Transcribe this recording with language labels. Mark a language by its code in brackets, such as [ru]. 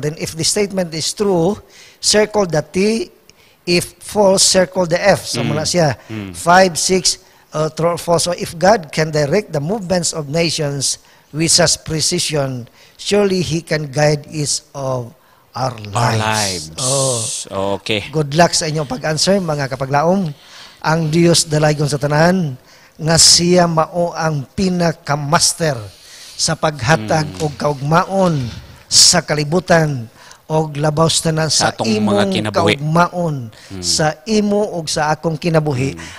[en] Then, if the statement is true, circle the T. If false, circle the F. [ceb] So, mula siya. [en] 5, 6, true or false. So, if God can direct the movements of nations with such precision, surely He can guide each of our lives. Oh, okay. Good luck [ceb] sa inyong pag-answer, mga kapaglaom. Ang Diyos dalaygon sa tanan, nga siya mao ang pinakamaster sa paghatag o kaugmaon sa kalibutan o labaw sa tanan sa imong kaugmaon, sa imo o sa akong kinabuhi.